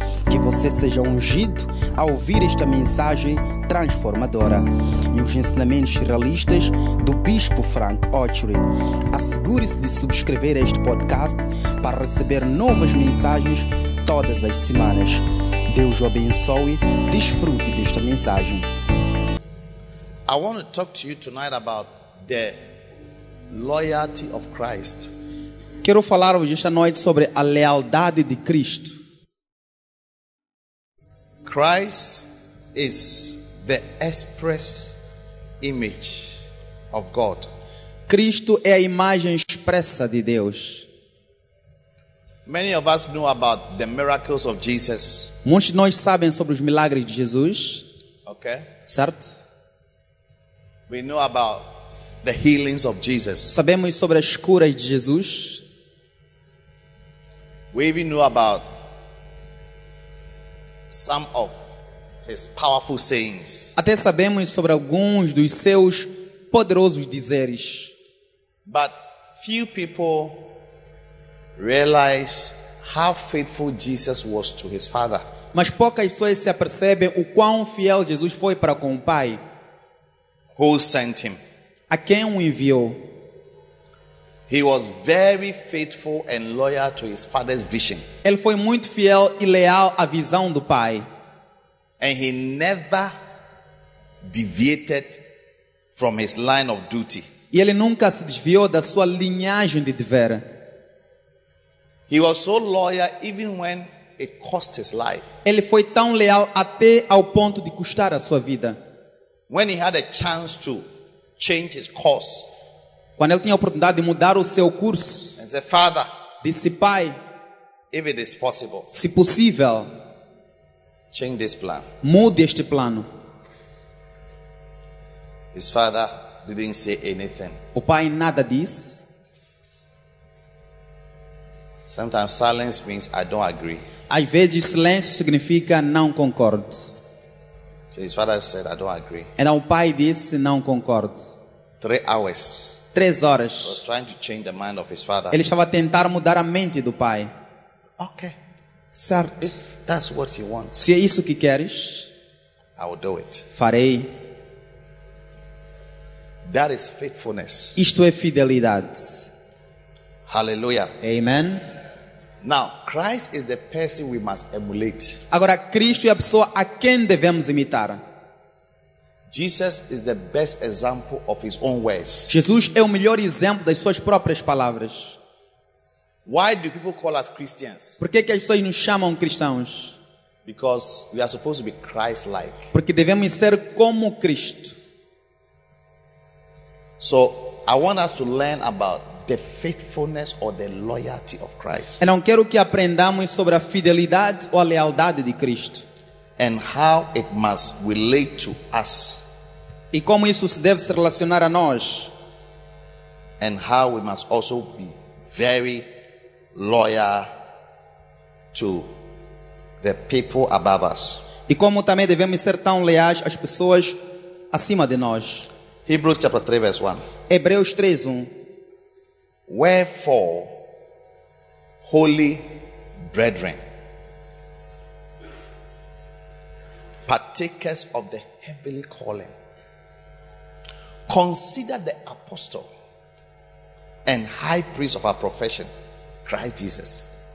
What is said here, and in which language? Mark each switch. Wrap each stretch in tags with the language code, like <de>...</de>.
<pt>Que você seja ungido a ouvir esta mensagem transformadora e os ensinamentos realistas do Bispo Frank Ochori. Assegure-se de subscrever este podcast para receber novas mensagens todas as semanas. Deus o abençoe. Desfrute desta mensagem.</pt> <en>I want to talk to you tonight about the loyalty of Christ.</en> <pt>Quero falar-vos esta noite sobre a lealdade de Cristo.</pt> <en>Christ is the express image of God.</en> <pt>Cristo é a imagem expressa de Deus.</pt> <en>Many of us know about the miracles of Jesus.</en> <pt>Muitos de nós sabem sobre os milagres de Jesus.</pt> <en>Okay.</en> <pt>Certo?</pt> <en>We know about the healings of Jesus.</en> <pt>Sabemos sobre as curas de Jesus.</pt> <en>We even know about some of his powerful sayings.</en> <pt>Até sabemos sobre alguns dos seus poderosos dizeres.</pt> <en>But few people realize how faithful Jesus was to his father.</en> <pt>Mas poucas pessoas se apercebem o quão fiel Jesus foi para com o Pai.</pt> <en>Who sent him?</en> <pt>A quem o enviou?</pt> <en>He was very faithful and loyal to his father's vision.</en> <pt>Ele foi muito fiel e leal à visão do Pai.</pt> <en>And he never deviated from his line of duty.</en> <pt>E ele nunca se desviou da sua linhagem de dever.</pt> <en>He was so loyal even when it cost his life.</en> <pt>Ele foi tão leal até ao ponto de custar a sua vida.</pt> <en>When he had a chance to change his course.</en> <pt>Quando ele tinha a oportunidade de mudar o seu curso.</pt> <en>And said, Father,</en> <pt>disse, Pai,</pt> <en>if it is possible,</en> <pt>se possível,</pt> <en>change this plan.</en> <pt>Mude este plano.</pt> <en>His father didn't say anything.</en> <pt>O Pai nada diz.</pt> <en>Sometimes silence means I don't agree.</en> <pt>Às vezes silêncio significa não concordo.</pt> <en>So his father said, I don't agree.</en> <pt>Então o pai disse, não concordo.</pt> <en>3 hours.</en> <pt>3 horas.</pt> <en>He was trying to change the mind of his father.</en> <pt>Ele estava a tentar mudar a mente do pai.</pt> <en>Okay.</en> <pt>Certo.</pt> <en>If that's what you want,</en> <pt>se é isso que queres,</pt> <en>I will do it.</en> <pt>Farei.</pt> <en>That is faithfulness.</en> <pt>Isto é fidelidade. Hallelujah. Amen.</pt> <en>Now, Christ is the person we must emulate.</en> <pt>Agora, Cristo é a pessoa a quem devemos imitar.</pt> <en>Jesus is the best example of his own words.</en> <pt>Jesus é o melhor exemplo das suas próprias palavras.</pt> <en>Why do people call us Christians?</en> <pt>Por que as pessoas nos chamam cristãos?</pt> <en>Because we are supposed to be Christ-like.</en> <pt>Porque devemos ser como Cristo.</pt> <en>So, I want us to learn about the faithfulness or the loyalty of Christ.</en> <pt>Eu não quero que aprendamos sobre a fidelidade ou a lealdade de Cristo.</pt> <en>And how it must relate to us.</en> <pt>E como isso se deve se relacionar a nós.</pt> <en>And how we must also be very loyal to the people above us.</en> <pt>E como também devemos ser tão leais às pessoas acima de nós.</pt> <en>Hebrews chapter 3 verse 1.</en> <pt>Hebreus 3:1.</pt> <en>Wherefore, holy brethren, partakers of the heavenly calling, consider the apostle and high priest of our profession, Christ Jesus.</en>